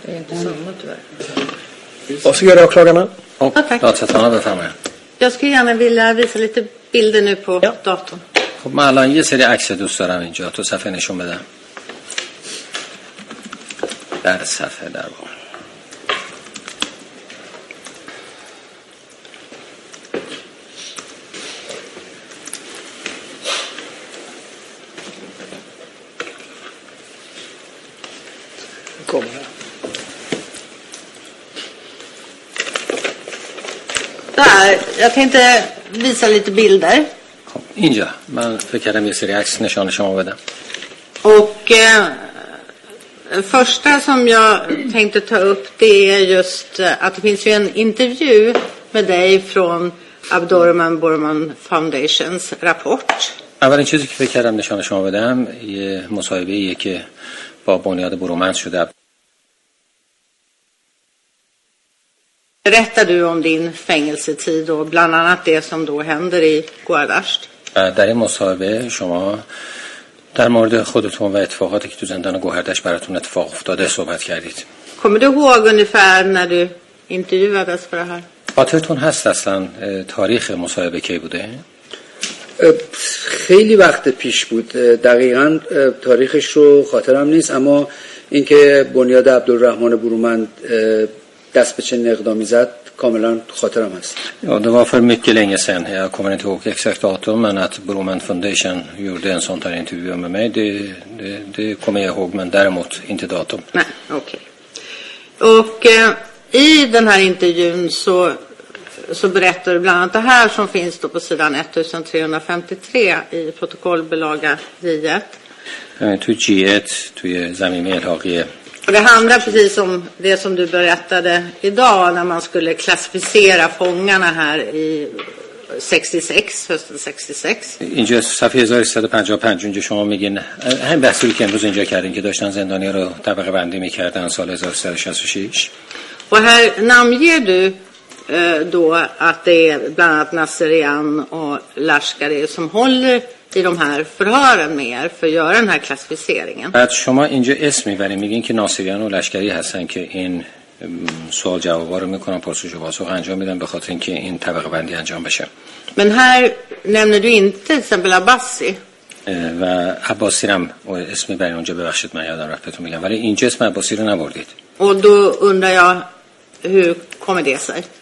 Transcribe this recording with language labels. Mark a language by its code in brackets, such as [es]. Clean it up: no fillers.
[sv] Det är inte samma tyvärr. Och så gör du åklagarna. Och ja, tack. Jag har med. Jag skulle gärna vilja visa lite bilder nu på ja. Datorn. [fa] خب من الان یه سری عکس دوست دارم اینجا تو صفحه نشون بدم. در صفحه در بار. [sv] در jag tänkte visa lite bilder. [fa] اینجا من فکر کردم یه سری عکس نشان شما بدم. [sv] Och första som jag tänkte ta upp det är just att det finns ju en intervju med dig från Abdurrahman Borman Foundations rapport. [fa] اولین چیزی که فکر کردم نشان شما بدم یه مصاحبه ایه که با بنیاد برومن شده. [sv] Berättar du om din fängelsetid och bland annat det som då händer i Guardasht? [fa] در این مصاحبه شما در مورد خودتون و اتفاقاتی که تو زندان گوهردشت براتون اتفاق افتاده صحبت کردید. [sv] Kommer du ihåg ungefär när du intervjuades för det här? [fa] خاطرتون هست اصلا تاریخ مصاحبه کی بوده؟ خیلی وقت پیش بود. دقیقاً تاریخش رو خاطرم نیست، اما اینکه بنیاد عبدالرحمن برومند دست به چنین اقدامی زد کاملا خاطرم هست. [sv] Ja, det var för mycket länge sen. Jag kommer inte ihåg exakt datum, men att Broman Foundation gjorde en sån här intervju med mig, det kommer jag ihåg, men däremot inte datum. Nej, okej. Och i den här intervjun så berättar du bland annat det här som finns då på sidan 1353 i protokollbilaga J1. [fa] Tu J1, tu zamime elhaqi. [sv] Och det handlar precis om det som du berättade idag när man skulle klassificera fångarna här i 66, hösten 66. [fa] اینجا صفحه 155 اونجا شما میگین همین بحثی که امروز اینجا کردین که داشتن زندانیا رو طبقه بندی میکردن سال 1966. [sv] Och här namnger du då att det är bland annat Nasserian och Lashkari som håller i de här förhören med er för att göra den här klassificeringen. [fa] Att شما اینجا اسم میبرین میگین که ناصریان و لشکری هستن که این سوال جوابا رو میکنن پاسخ و پاسخ انجام میدن به خاطر اینکه این طبقه بندی انجام بشه. [sv] Men här nämner du inte till exempel Abbasi. [fa] و Abbasi رم اسم میبرین اونجا ببخشید من یادم رفت بهتون میگم ولی اینجا اسم Abbasi رو نبردید. [sv] Och då undrar jag hur kommer det sig?